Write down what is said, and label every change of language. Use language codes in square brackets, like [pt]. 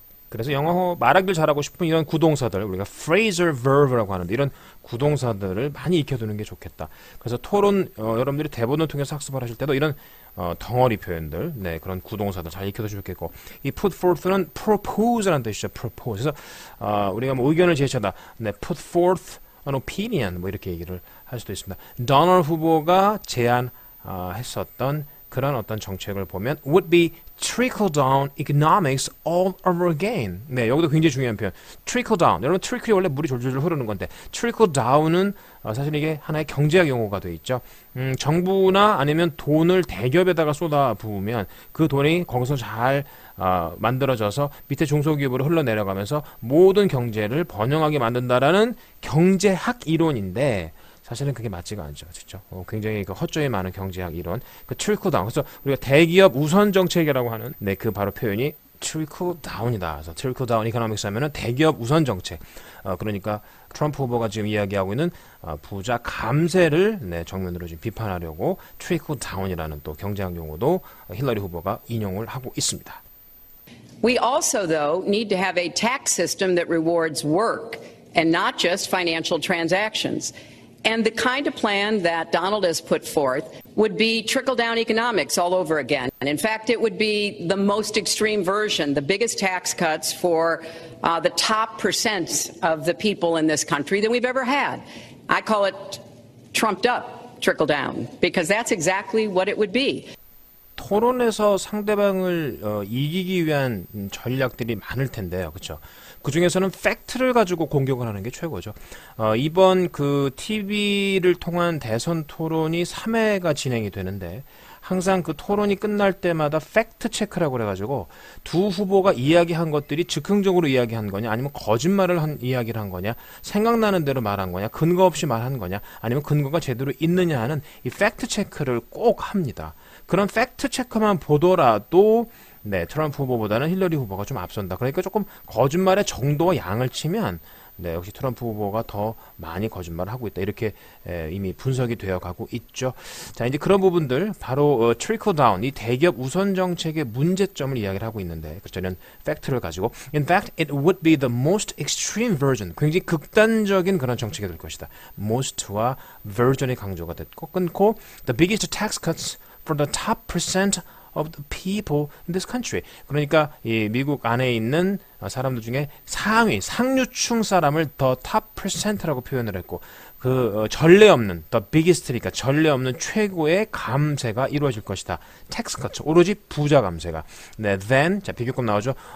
[ko] 그래서 영어 말하길 잘하고 싶은 이런 구동사들, 우리가 phrasal verb라고 하는데 이런 구동사들을 많이 익혀두는 게 좋겠다. 그래서 토론 여러분들이 대본을 통해서 학습을 하실 때도 이런 덩어리 표현들, 네, 그런 구동사들 잘 익혀두시면 좋겠고, 이 [en] put forth [ko] 는 propose라는 뜻이죠. [en] propose. [ko] 그래서 우리가 뭐 의견을 제시하다, 네, [en] put forth an opinion [ko] 뭐 이렇게 얘기를 할 수도 있습니다. 도널 후보가 제안했었던 그런 어떤 정책을 보면 [en] would be trickle down economics all over again. [ko] 네, 여기도 굉장히 중요한 표현. [en] trickle down. [ko] 여러분, trickle이 원래 물이 졸졸 흐르는 건데 trickle down은 사실 이게 하나의 경제학 용어가 돼 있죠. 정부나 아니면 돈을 대기업에다가 쏟아 부으면 그 돈이 거기서 잘 만들어져서 밑에 중소기업으로 흘러내려가면서 모든 경제를 번영하게 만든다라는 경제학 이론인데 사실은 그게 맞지가 않죠. 그렇죠? 굉장히 그 허점이 많은 경제학 이론. 그 트리클 다운. 그래서 우리가 대기업 우선 정책이라고 하는 네, 그 바로 표현이 트리클 다운이다. 그래서 트리클 다운 이코노믹스 하면은 대기업 우선 정책. 그러니까 트럼프 후보가 지금 이야기하고 있는 부자 감세를 네, 정면으로 지금 비판하려고 트리클 다운이라는 또 경제학 용어도 힐러리 후보가 인용을 하고 있습니다. [en] We also though need to have a tax system that rewards work and not just financial transactions. And the kind of plan that Donald has put forth would be trickle-down economics all over again. And in fact, it would be the most extreme version, the biggest tax cuts for the top percent of the people in this country than we've ever had. I call it trumped-up trickle-down, because that's exactly what it would be. [ko] 토론에서 상대방을 이기기 위한 전략들이 많을 텐데요. 그렇죠? 그 중에서는 팩트를 가지고 공격을 하는 게 최고죠. 이번 그 TV를 통한 대선 토론이 3회가 진행이 되는데 항상 그 토론이 끝날 때마다 팩트 체크라고 해가지고 두 후보가 이야기한 것들이 즉흥적으로 이야기한 거냐 아니면 거짓말을 이야기를 한 거냐 생각나는 대로 말한 거냐 근거 없이 말한 거냐 아니면 근거가 제대로 있느냐 하는 이 팩트 체크를 꼭 합니다. 그런 팩트 체크만 보더라도 네, 트럼프 후보보다는 힐러리 후보가 좀 앞선다. 그러니까 조금 거짓말의 정도와 양을 치면 네, 역시 트럼프 후보가 더 많이 거짓말을 하고 있다. 이렇게 이미 분석이 되어 가고 있죠. 자, 이제 그런 부분들 바로 트리클 다운, 이 대기업 우선 정책의 문제점을 이야기를 하고 있는데 그렇죠. 이런 팩트를 가지고 [en] In fact, it would be the most extreme version. [ko] 굉장히 극단적인 그런 정책이 될 것이다. [en] Most와 version의 [ko] 강조가 됐고 끊고 [en] The biggest tax cuts for the top percent of the people in this country. [ko] 그러니까 이 미국 안에 있는 사람들 중에 상위, 상류층 사람을 [en] the top percent [ko] 라고 표현을 했고 그 전례 없는, [en] the biggest [ko] 니까 전례 없는 최고의 감세가 이루어질 것이다. [en] Tax cuts, [ko] 오로지 부자 감세가. 네, [en] then, [ko] 자, 비교급 나오죠.